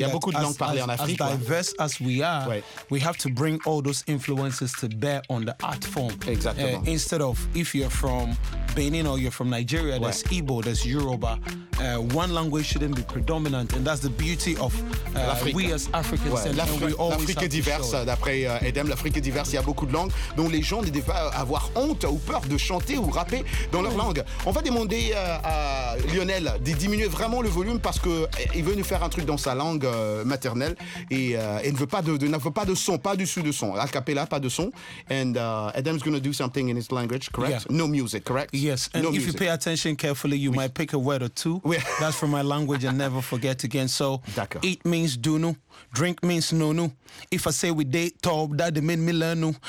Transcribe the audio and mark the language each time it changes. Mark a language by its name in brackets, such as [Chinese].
[English] as diverse as we are, we have to bring all those influences to bear on the art form. Exactly. Instead of if you're from Benin or you're from Nigeria, there's Igbo, there's Yoruba. One language shouldn't be predominant. And that's the beauty of we as Africans. [French] Ouais. L'Afrique est diverse, d'après Edem. L'Afrique est diverse. Il y a beaucoup de langues dont les gens n'étaient pas avoir honte ou peur de chanter ou rapper dans leur langue. On va demander à Lionel de diminuer vraiment le volume parce qu'il veut nous faire un truc dans sa langue maternelle et il ne veut pas de son, pas du sous de son. A cappella, pas de son. [English] And Adam's going to do something in his language, correct? Yeah. No music, correct? Yes. And no if music. You pay attention carefully, you might pick a word or two. That's from my language and never forget again. So, [French] d'accord. [English] Eat means dunu. Drink means nonu. If I say we date top, that mean me learnu.